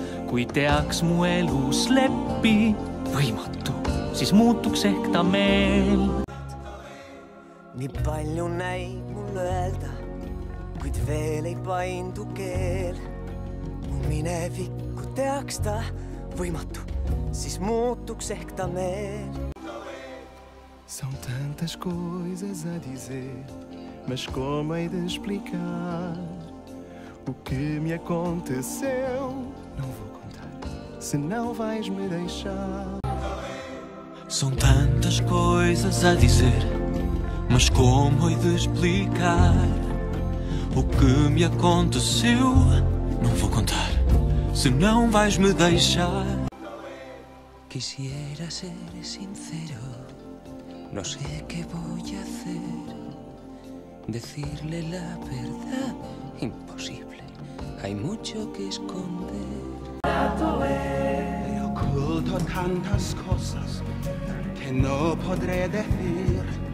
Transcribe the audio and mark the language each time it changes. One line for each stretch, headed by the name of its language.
Estonian: Kui teaks mu elus leppi võimatu, siis muutuks ehk ta meel. Ni palju näib mulle öelda, kuid veel ei paindu keel. Mu minevikku teaks ta võimatu, siis muutuks ehk ta meel.
Portuguese: São tantas coisas a dizer, mas como hei de explicar o que me aconteceu? Não vou contar, se não vais me deixar. São tantas coisas a dizer, mas como hei de explicar o que me aconteceu? Não vou contar, se não vais me deixar.
Spanish: Quisiera ser sincero, no sé qué voy a hacer. Decirle la verdad, imposible, hay mucho que esconder. He oculto tantas cosas que no podré decir.